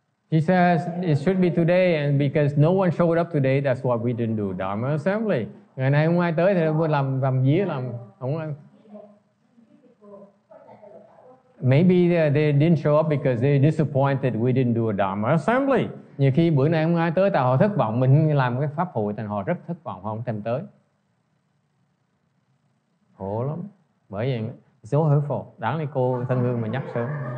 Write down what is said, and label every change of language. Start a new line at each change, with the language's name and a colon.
English: She says it should be today, and because no one showed up today, that's why we didn't do Dharma assembly.
Vietnamese: Ngày nay không ai tới thì vừa làm dí làm không.
English: Maybe they didn't show up because they disappointed we didn't do a Dharma assembly.
Vietnamese: Nhiều khi bữa nay không ai tới, tại họ thất vọng mình làm cái pháp hội, thành họ rất thất vọng, họ không thèm tới. Khổ lắm, bởi vậy.
English: So hurtful.
Vietnamese: Đáng lý cô thân hương mà nhắc sớm.